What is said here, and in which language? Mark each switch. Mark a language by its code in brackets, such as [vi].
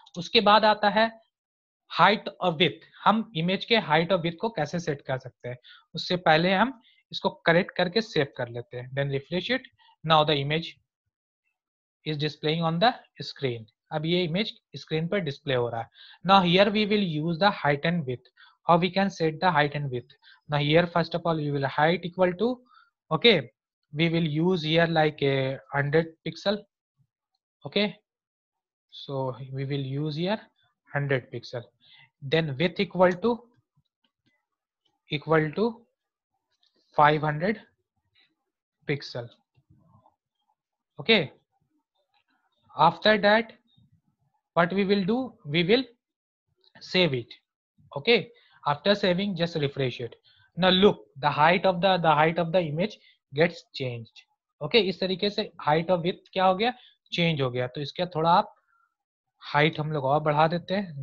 [hi] उसके बाद आता है हाइट और विथ. हम इमेज के हाइट और विथ को कैसे सेट कर सकते हैं, उससे पहले हम इसको करेक्ट करके सेव कर लेते हैं. [en] Then refresh it. Now the image is displaying on the screen. [hi] अब ये इमेज स्क्रीन पर डिस्प्ले हो रहा है. [en] Now here we will use the height and width. How we can set the height and width? Now here, first of all, we will height equal to, okay, we will use here like a 100 pixel, okay. So we will use here 100 pixel. Then width equal to 500 pixel, okay. After that, what we will do? We will save it, okay. After saving, just refresh it. Now look, the height of the image gets changed. [hi] Okay, इस तरीके से height और width क्या हो गया, change हो गया. तो इसके थोड़ा आप height हम लोग और बढ़ा देते हैं.